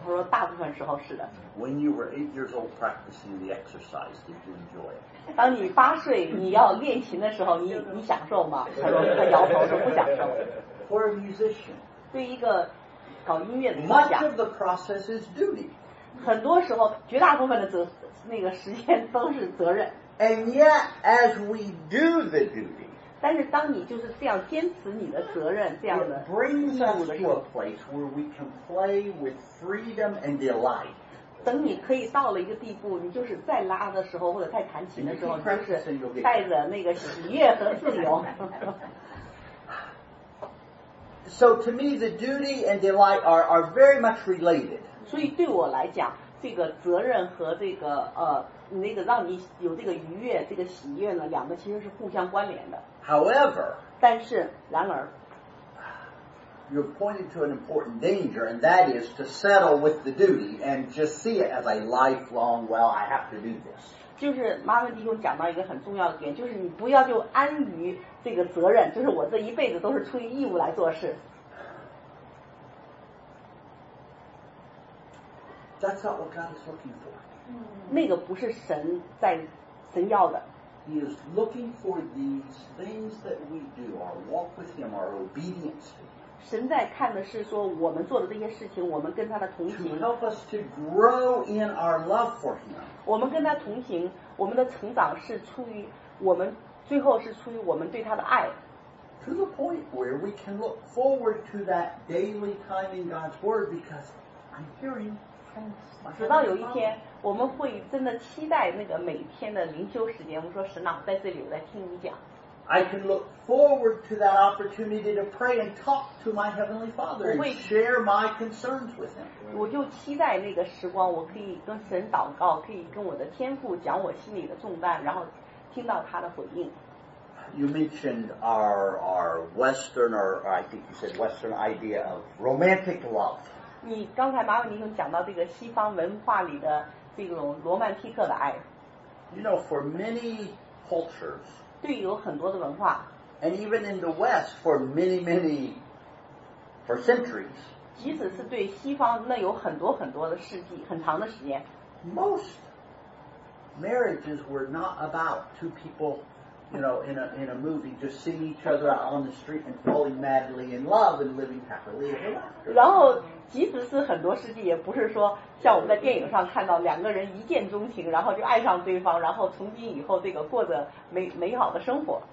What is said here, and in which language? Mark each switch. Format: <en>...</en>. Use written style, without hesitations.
<zh>他说大部分时候是的。</zh> <en>When you were 8 years old practicing the exercise, did you enjoy it?</en> <zh>当你八岁你要练琴的时候，你享受吗？他说他摇头说不享受。</zh> <en>For a musician,</en> <zh>对一个搞音乐的</zh> <en>，much of the process is duty.</en> <zh>很多时候，绝大部分的那个时间都是责任。</zh> <en>And yet, as we do the duty,</en> <zh>但是当你就是这样坚持你的责任，这样的</zh> <en>it brings us to a place where we can play with freedom and delight.</en> <zh>等你可以到了一个地步，你就是在拉的时候或者在弹琴的时候，就是带着那个喜悦和自由。</zh> <en>So to me, the duty and delight are very much related.</en> <zh>所以对我来讲，这个责任和这个那个让你有这个愉悦这个喜悦呢，两个其实是互相关联的。</zh> <en>However,</en> <zh>但是然而</zh> <en>you're pointing to an important danger, and that is to settle with the duty and just see it as a lifelong, well, I have to do this.</en> <zh>就是马文弟兄讲到一个很重要的点，就是你不要就安于这个责任，就是我这一辈子都是出于义务来做事。</zh> <en>That's not what God is looking for.</en> <zh>那个不是神在神要的。</zh> <en>He is looking for these things that we do, our walk with Him, our obedience.</en> <zh>神在看的是说我们做的这些事情，我们跟他的同行。</zh> <en>To help us to grow in our love for Him.</en> <zh>我们跟他同行，我们的成长是出于我们最后是出于我们对他的爱。</zh> <en>To the point where we can look forward to that daily time in God's Word because I'm hearing.</en> <zh>直到有一天我们会真的期待那个每天的灵修时间，我说神啊，我在这里我在听你讲。</zh> <en>I can look forward to that opportunity to pray and talk to my Heavenly Father and share my concerns with Him.</en> <zh>我就期待那个时光，我可以跟神祷告，可以跟我的天父讲我心里的重担，然后听到他的回应。</zh> <en>You mentioned our Western, or I think you said Western idea of romantic love.</en> <zh>你刚才马文尼兄讲到这个西方文化里的这种罗曼蒂克的爱。</zh> <en>You know, for many cultures,</en> <zh>对有很多的文化。</zh> <en>And even in the West, for many, for centuries,</en> <zh>即使是对西方那有很多很多的世纪很长的时间。</zh> <en>Most marriages were not about two people, you know, in a movie, just seeing each other out on the street and falling madly in love and living happily ever after.</en> <zh>然后即使是很多世纪，也不是说像我们在电影上看到两个人一见钟情，然后就爱上对方，然后从今以后这个过着美好的生活。</zh>